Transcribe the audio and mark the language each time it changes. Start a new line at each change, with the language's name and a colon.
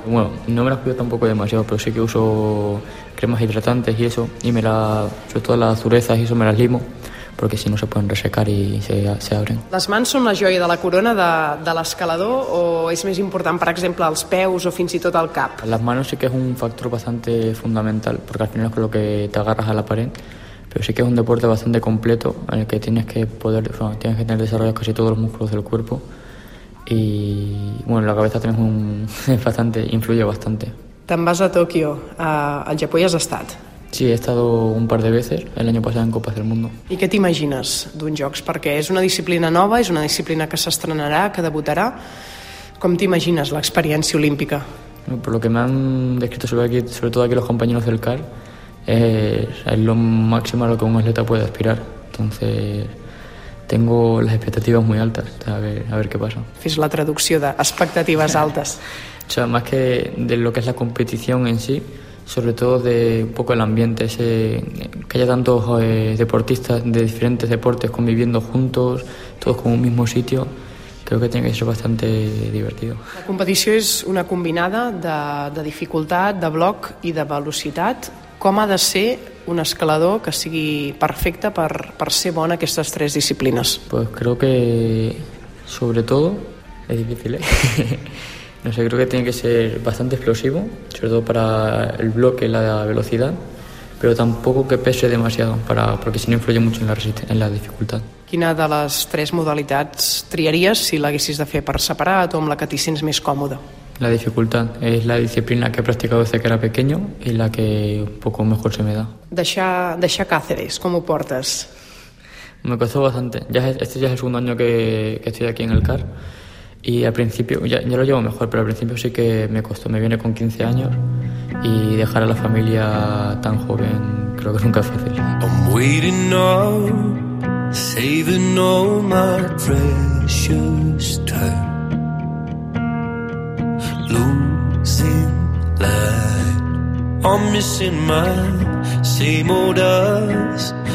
Spanish: Bueno, no me las cuido tampoco demasiado, pero sí que uso cremas hidratantes y eso, y me las, sobre todo las durezas y eso me las limo, porque si no se pueden resecar y se abren.
Catalan: Les mans són la joia de la corona de l'escalador o és més important, per exemple, els peus o fins i tot el cap?
Spanish: Las manos sí que es un factor bastante fundamental, porque al final es con lo que te agarras a la pared, pero sí que es un deporte bastante completo en el que tienes que tener desarrollados casi todos los músculos del cuerpo y bueno, la cabeza también influye bastante.
Catalan: Te'n vas a Tòquio, al Japó hi has estat?
Spanish: Sí, he estado un par de veces el año pasado en Copas del Mundo.
Catalan: I què t'imagines d'uns jocs? Perquè és una disciplina nova, és una disciplina que s'estrenarà, que debutarà. Com t'imagines l'experiència olímpica?
Spanish: Por lo que me han descrito sobre todo aquí los compañeros del CAR, es lo máximo a lo que un atleta puede aspirar. Entonces, tengo las expectativas muy altas, a ver qué pasa.
Catalan: Fes la traducció de expectatives altes.
Spanish: O sea, más que de lo que es la competición en sí, sobre todo de un poco el ambiente, ese, que haya tantos deportistas de diferentes deportes conviviendo juntos, todos con un mismo sitio, creo que tiene que ser bastante divertido. La competición es una combinada de dificultad, de bloc y de velocidad.
Catalan: Com ha de ser un escalador que sigui perfecte per ser bon aquestes tres disciplines?
Spanish: Pues creo que, sobre todo, es difícil, ¿eh? No sé, creo que tiene que ser bastante explosivo, sobre todo para el bloque y la velocidad, pero tampoco que pese demasiado, porque si no influye mucho en la dificultad.
Catalan: Quina de les tres modalitats triaries si l'haguessis de fer per separat o amb la que t'hi sents més còmode?
Spanish: La dificultad es la disciplina que he practicado desde que era pequeño y la que un poco mejor se me da.
Catalan: Deixar Cáceres, ¿com ho portes?
Spanish: Me costó bastante. Este ya es el segundo año que estoy aquí en el CAR y al principio, ya lo llevo mejor, pero al principio sí que me costó. Me viene con 15 años y dejar a la familia tan joven creo que nunca es fácil.
English: I'm waiting now, saving all my precious time. Losing light, I'm missing my same old eyes.